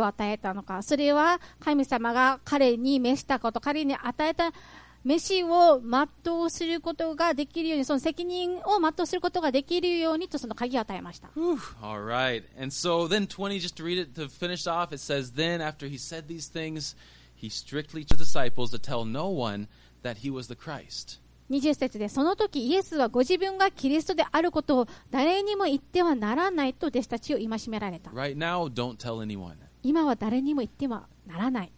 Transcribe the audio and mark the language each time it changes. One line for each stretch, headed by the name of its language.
Japanese: を与えたのか。それは神様が彼に召したこと、彼に与えた召しを全うすることができるようにその責任を全うすることができるようにとその鍵を与えました。
English: All right. And so then 20, just to read it to finish off, it says, then after he said these things, he strictly to disciples to tell no one that he was the Christ.
Japanese: 20節でその時イエスはご自分がキリストであることを誰にも言ってはならないと弟子たちを戒められた。
English: Right、now, don't tell anyone.
Japanese: 今は誰にも言ってはならない。